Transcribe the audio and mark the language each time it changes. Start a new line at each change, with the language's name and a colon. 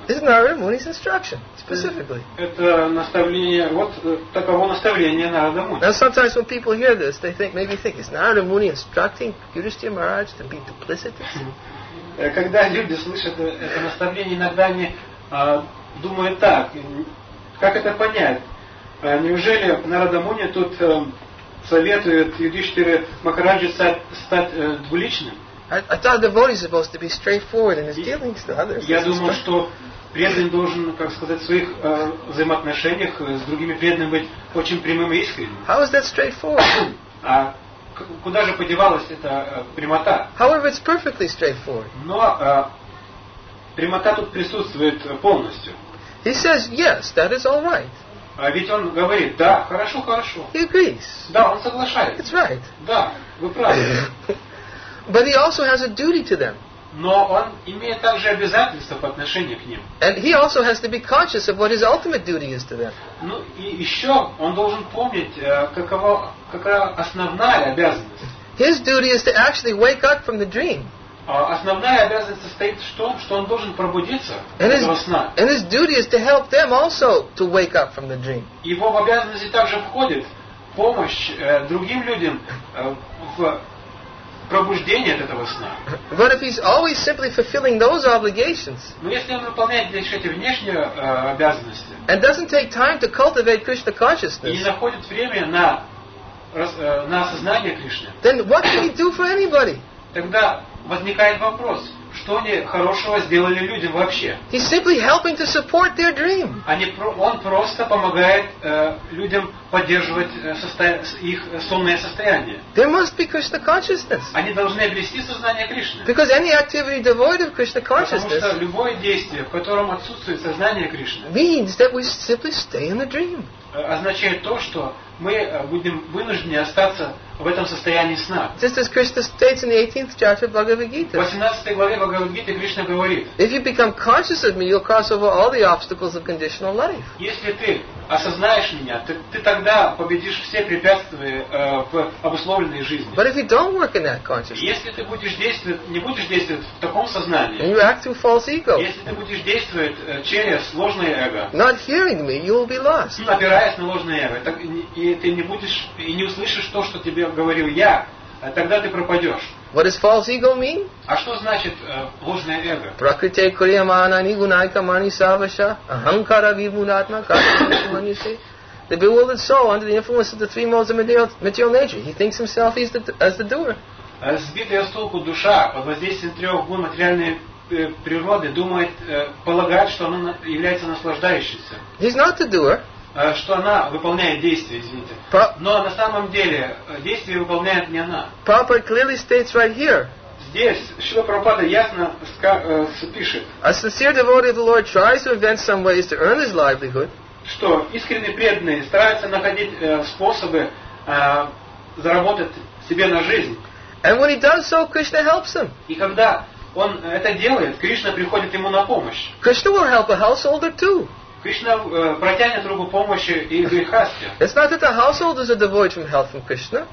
English: This is Narada Muni's instruction, specifically.
Russian: Это наставление, вот таково наставление Narada Muni.
English: Now sometimes when people hear this, they think, maybe think, is Narada Muni instructing Yudhishthira Maharaj to be duplicitous?
Russian: Когда люди слышат это наставление, иногда они думают так, как это понять? Неужели Narada Muni тут советует Yudhishthira Maharaj стать двуличным?
English: I thought the devotee is supposed to be straightforward in his dealings to others.
Russian: Я думал, что преданный должен, как сказать, в своих взаимоотношениях с другими преданными быть очень прямым и искренним.
English: How is that straightforward?
Russian: А куда же подевалась эта прямота?
English: However, it's perfectly straightforward.
Russian: Но прямота тут присутствует полностью.
English: He says, yes, that is all right.
Russian: А ведь он говорит, да, хорошо, хорошо.
English: He agrees.
Russian: Да, он соглашается.
English: It's right.
Russian: Да, вы правы.
English: But he also has a duty to them.
Russian: Но он имеет также обязательства по отношению к ним.
English: And he also has to be conscious of what his ultimate duty is to them.
Russian: Ну и еще он должен помнить, какая основная обязанность.
English: His duty is to actually wake up from the dream.
Russian: Основная обязанность состоит в том, что он должен пробудиться от сна.
English: And his duty is to help them also to wake up from the dream.
Russian: Его в обязанности также входит помощь другим людям в пробуждение от этого сна.
English: But if he's always simply fulfilling those obligations,
Russian: но если он выполняет лишь эти внешние обязанности,
English: and doesn't take time to cultivate Krishna consciousness,
Russian: и не находит время на осознание Кришны,
English: then what can he do for anybody?
Russian: Тогда возникает вопрос, что они хорошего сделали людям вообще?
English: He's simply helping to support their dream.
Russian: Он просто помогает людям поддерживать их сонное состояние.
English: There must be Krishna consciousness.
Russian: Они должны обрести сознание Кришны.
English: Because any activity devoid of Krishna consciousness,
Russian: потому что любое действие, в котором отсутствует сознание Кришны,
English: means that we simply stay in the dream.
Russian: Означает то, что мы будем вынуждены остаться в этом состоянии сна.
English: Just as Krishna states in the 18th chapter of Bhagavad Gita.
Russian: В 18 главе Бхагавад Гиты Кришна говорит:
English: If you become conscious of me, you'll cross over all the obstacles of conditional life.
Russian: Если ты осознаешь меня, ты тогда победишь все препятствия в обусловленной жизни.
English: But if you don't work in that consciousness,
Russian: если ты не будешь действовать в таком сознании,
English: and you act through false ego,
Russian: если ты будешь действовать через ложное эго,
English: not hearing me, you will be lost.
Russian: Опираясь на ложное эго, так и ты не будешь и не услышишь то, что тебе говорил я, тогда ты пропадешь.
English: What does false ego mean?
Russian: А что значит ложное эго?
Sanskrit: Prakriti kriyamana ni gunaika mani savasha ahankara vibhunatma kasamanyase.
English: The bewildered soul under the influence of the three modes of material nature. He thinks himself as the doer.
Russian: Сбитая с толку душа под воздействием трех гун материальной природы думает, полагает, что она является наслаждающейся.
English: He's not the doer.
Russian: Что она выполняет действие, извините. Но на самом деле действие выполняет не она.
English: Prabhupada clearly states right here.
Russian: Здесь Шрила Прабхупада ясно пишет.
English: A sincere devotee of the Lord tries to invent some ways to earn his livelihood.
Russian: Что искренне преданные стараются находить способы заработать себе на жизнь.
English: And when he does so, Krishna helps him.
Russian: И когда он это делает, Кришна приходит ему на помощь.
English: Krishna will help a householder too.
Russian: Кришна протянет руку помощи и грехасте.
English: It's not that the householders are devoid from help from Krishna.